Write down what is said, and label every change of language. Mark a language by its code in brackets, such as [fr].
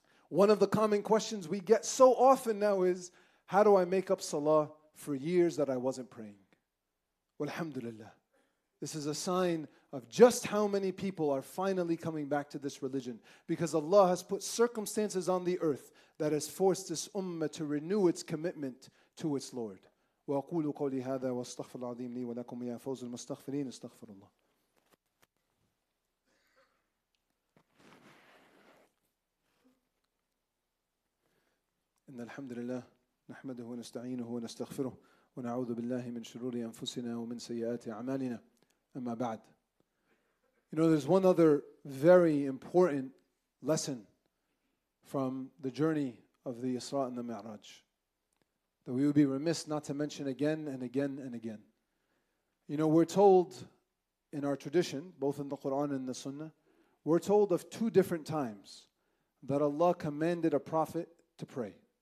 [en] One of the common questions we get so often now is, how do I make up salah for years that I wasn't praying? Walhamdulillah. This is a sign of just how many people are finally coming back to this religion. Because Allah has put circumstances on the earth that has forced this ummah to renew its commitment to its Lord. [ar] وَأَقُولُ قَوْلِ هَذَا وَاسْتَغْفِرُ الْعَظِيمِ لِي وَلَكُمْ يَا فَوْزُ الْمُسْتَغْفِرِينَ اسْتَغْفِرُ اللَّهِ إن الحمد لله نحمده ونستعينه ونستغفره ونعوذ بالله من شرور أنفسنا ومن سيئات أعمالنا أما بعد. [en] You know, there's one other very important lesson from the journey of the Isra and the Mi'raj that we would be remiss not to mention again and again and again. You know, we're told in our tradition, both in the Quran and the Sunnah, we're told of two different times that Allah commanded a prophet to pray.